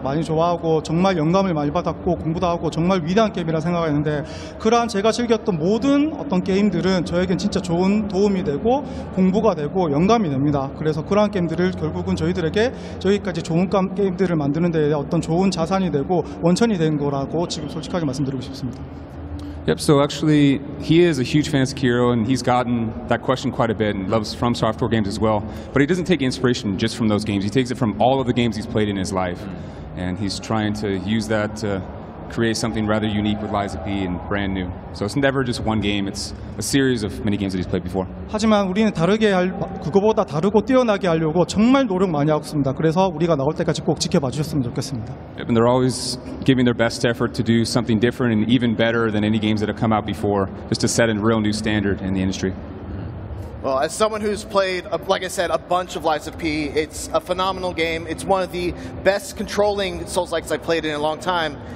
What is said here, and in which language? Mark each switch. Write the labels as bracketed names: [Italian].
[Korean] 많이 좋아하고 정말 영감을 많이 받았고 공부도 하고 정말 위대한 게임이라 생각했는데 그러한 제가 즐겼던 모든 어떤 게임들은 저에겐 진짜 좋은 도움이 되고 공부가 되고 영감이 됩니다. 그래서 그러한 게임들을 결국은 저희들에게 저희까지 좋은 게임들을 만드는 데 어떤 좋은 자산이 되고 원천이 된 거라고 지금 솔직하게 말씀드리고 싶습니다. [English] Yep, so actually he is a huge fan of Sekiro and he's gotten that question quite a bit and loves From Software games as well. But he doesn't take inspiration just from those games. He takes it from all of the games he's played in his life. And he's trying to use that to create something rather unique with Liza P and brand new. So it's never just one game, it's a series of many games that he's played before. [Korean] 하지만 우리는 다르게 할 그거보다 다르고 뛰어나게 하려고 정말 노력 많이 하고 있습니다. 그래서 우리가 나올 때까지 꼭 지켜봐 주셨으면 좋겠습니다. [English] And they're always giving their best effort to do something different and even better than any games that have come out before, just to set a real new standard in the industry. Well, as someone who's played, like I said, a bunch of Liza P, it's a phenomenal game. It's one of the best controlling Souls-likes I've played in a long time.